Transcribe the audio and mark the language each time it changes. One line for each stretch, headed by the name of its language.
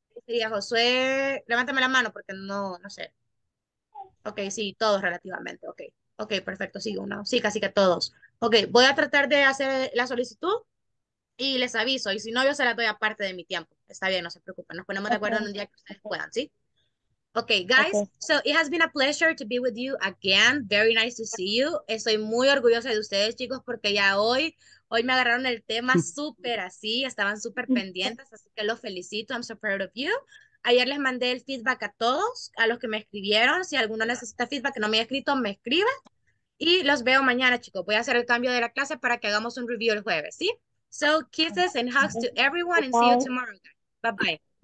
Spanish: Sería Josué, levántame la mano porque no sé. Ok, sí, todos relativamente. Ok, okay, perfecto, sí, uno. Sí, casi que todos. Ok, voy a tratar de hacer la solicitud y les aviso. Y si no, yo se la doy aparte de mi tiempo. Está bien, no se preocupen. Nos ponemos de acuerdo en un día que ustedes puedan, ¿sí?
English: Ok, guys, okay. So it has been a pleasure to be with you again. Very nice to see you.
Spanish: Estoy muy orgullosa de ustedes, chicos, porque ya hoy me agarraron el tema súper así, estaban súper pendientes, así que los felicito.
English: I'm so proud of you.
Spanish: Ayer les mandé el feedback a todos, a los que me escribieron. Si alguno necesita feedback que no me haya escrito, me escribe. Y los veo mañana, chicos. Voy a hacer el cambio de la clase para que hagamos un review el jueves, ¿sí?
English: So, kisses and hugs to everyone, and see you tomorrow. Bye-bye.